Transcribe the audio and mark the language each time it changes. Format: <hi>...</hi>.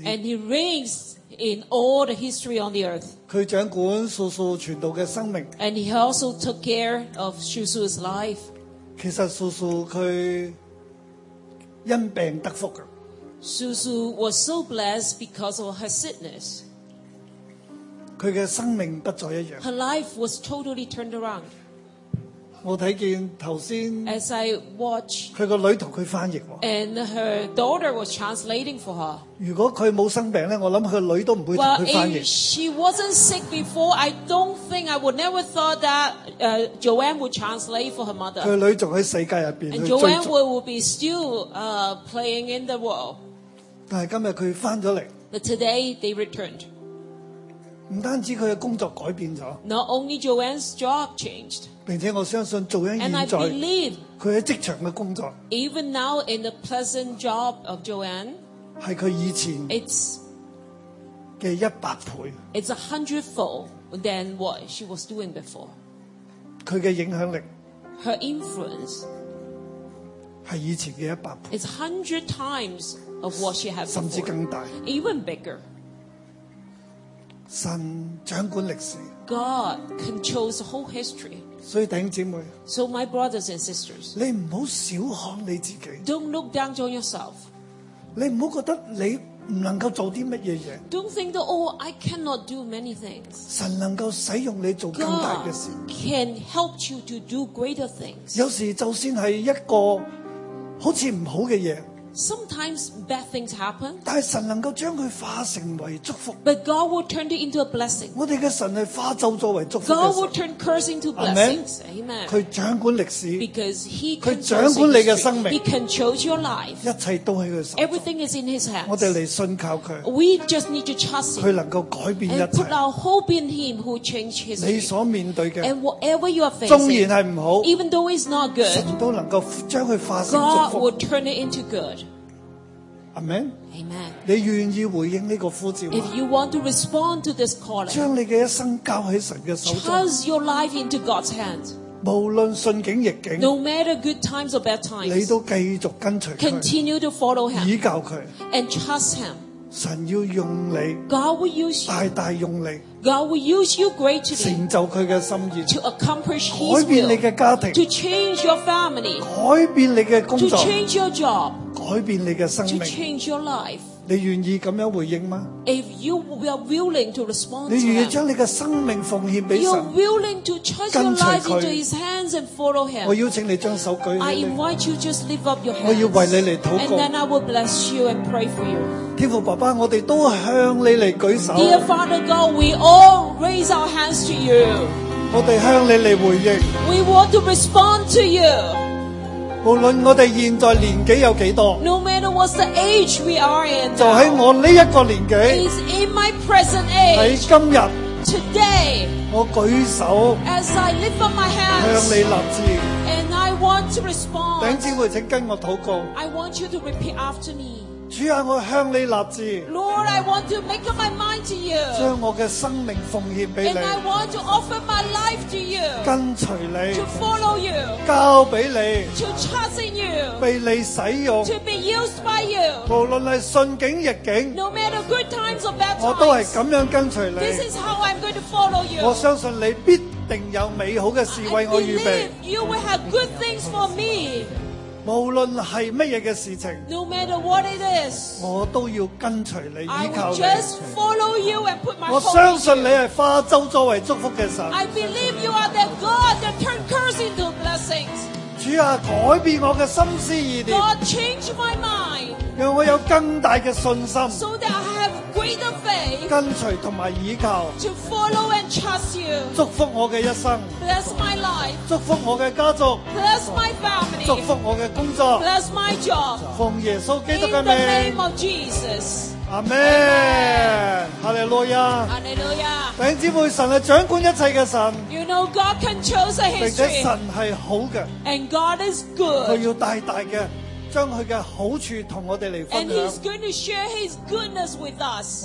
<en>And he reigns in all the history on the earth.</en> <zh>他掌管素素传道的生命。</zh> <en>And he also took care of Shusu's life.</en> <zh>其实素素他因病得福。</zh> <en>Shusu was so blessed because of her sickness.</en> <zh>他的生命不再一样。</zh> <en>Her life was totally turned around.</en> <zh>我睇见头先。</zh> <en>As I watch.</en> <zh>他的女儿同他翻译。</zh> <en>And her daughter was translating for her.</en> <zh>如果他没有生病呢，我想他的女儿都不会同他翻译。</zh> <en>Well, if she wasn't sick before, I don't think I would never thought that, Joanne would translate for her mother.</en> <zh>他的女儿还在世界里面。</zh> <en>And Joanne would be still, playing in the world.</en> <zh>但是今天他翻了来。</zh> <en>But today, they returned.</en> <zh>不单止他的工作改变了。</zh> <en>Not only Joanne's job changed.</en> <zh>并且我相信做人现在</zh> <en>believe,</en> <zh>他在职场的工作</zh> <en>Even now in the pleasant job of Joanne</en> <zh>是他以前</zh> <en>It's</en> <zh>的一百倍</zh> <en>It's a hundredfold than what she was doing before</en> <zh>他的影响力</zh> <en>Her influence</en> <zh>是以前的一百倍</zh> <en>It's a hundred times of what she had before</en> <zh>甚至更大</zh> <en>Even bigger</en> <zh>神掌管历史</zh> <en>God controls the whole history</en> <zh>所以弟兄姐妹</zh> <en>So my brothers and sisters</en> <zh>你不要小看你自己</zh> <en>Don't look down on yourself</en> <zh>你不要觉得你不能够做些什么事</zh> <en>Don't think that oh I cannot do many things</en> <zh>神能够使用你做更大的事</zh> <en>God can help you to do greater things</en> <zh>有时就算是一个好像不好的事</zh> <en>Sometimes bad things happen</en> <zh>但是神能够将它化成为祝福</zh> <en>But God will turn it into a blessing</en> <zh>我们的神是化咒作为祝福的</zh> <en>神 God will turn curse into blessings Amen</en> <zh>祂掌管历史</zh> <en>Because he controls</en> <zh>祂掌管你的生命</zh> <en>He controls your life</en> <zh>一切都在祂手中</zh> <en>Everything is in his hands</en> <zh>我们来信靠祂</zh> <en>We just need to trust him</en> <zh>祂能够改变一切</zh> <en>And put our hope in him who changed history</en> <zh>你所面对的</zh> <en>And whatever you are facing</en> <zh>纵然是不好</zh> <en>Even though it's not good</en> <zh>神都能够将祂化成祝福</zh> <en>God will turn it into good Amen. Amen.</en> <zh>你愿意回应这个呼召吗?</zh> <en>If you want to respond to this calling,</en> <zh>将你的一生交在神的手中,</zh> <en>Trust your life into God's hand.</en> <zh>无论顺境逆境,</zh> <en>No matter good times or bad times,</en> <zh>你都继续跟随他,</zh> <en>Continue to follow him,</en> <zh>依靠他,</zh> <en>And trust him.</en> <zh>神要用你,</zh> <en>God will use you,</en> <zh>大大用你,</zh> <en>God will use you greatly,</en> <zh>成就他的心意,</zh> <en>To accomplish his will,</en> <zh>改变你的家庭,</zh> <en>To change your family,</en> <zh>改变你的工作,</zh> <en>To change your job,</en> <zh>改变你的生命</zh> <en>to change your life.</en> <zh>你愿意这样回应吗</zh> <en>If you are willing to respond to</en> <zh>him 你愿意将你的生命奉献给神</zh> <en>You are willing to trust your life into his hands and follow him</en> <zh>我邀请你将手举起来</zh> <en>I invite you just lift up your hands</en> <zh>我要为你来祷告</zh> <en>And then I will bless you and pray for you</en> <zh>天父爸爸我们都向你来举手</zh> <en>Dear Father God we all raise our hands to you</en> <zh>我们向你来回应</zh> <en>We want to respond to you</en> <zh>无论我们现在年纪有几多</zh> <en>No matter what's the age we are in</en> <zh>就在我这一个年纪</zh> <en>It's in my present age</en> <zh>在今日</zh> <en>Today</en> <zh>我举手</zh> <en>As I lift up my hands</en> <zh>向你立志</zh> <en>And I want to respond</en> <zh>弟兄姊妹请跟我祷告</zh> <en>I want you to repeat after me</en> <zh>主啊我向你立志</zh> <en>Lord I want to make up my mind to you</en> <zh>将我的生命奉献给你</zh> <en>And I want to offer my life to you</en> <zh>跟随你</zh> <en>To follow you</en> <zh>交给你</zh> <en>To trust in you</en> <zh>被你使用</zh> <en>To be used by you</en> <zh>无论是顺境逆境</zh> <en>No matter good times or bad times</en> <zh>我都是这样跟随你</zh> <en>This is how I'm going to follow you</en> <zh>我相信你必定有美好的事为我预备</zh> <en>I believe you will have good things for me</en> <zh>无论是什么的事情</zh> <en>no matter what it is,</en> <zh>我都要跟随你依靠你</zh> <en>I will just follow you and put my hope</en> <zh>我相信你是化咒作为祝福的神</zh> <en>I believe you are the God that turn curse into blessings</en> <zh>主啊改变我的心思意念</zh> <en>God change my mind</en> <zh>让我有更大的信心</zh> <en>so that I have greater faith</en> <zh>跟随和依靠</zh> <en>to follow and trust you</en> <zh>祝福我的一生</zh> <en>bless my life</en> <zh>祝福我的家族</zh> <en>bless my family</en> <zh>祝福我的工作</zh> <en>Bless my job</en> <zh>奉耶稣基督的名</zh> <en>In the name of Jesus Amen Hallelujah Hallelujah</en> <zh>弟兄姊妹神是掌管一切的神</zh> <en>You know God controls the history</en> <zh>并且神是好的</zh> <en>And God is good</en> <zh>祂要大大的将祂的好处和我们来分享</zh> <en>And He's going to share His goodness with us</en>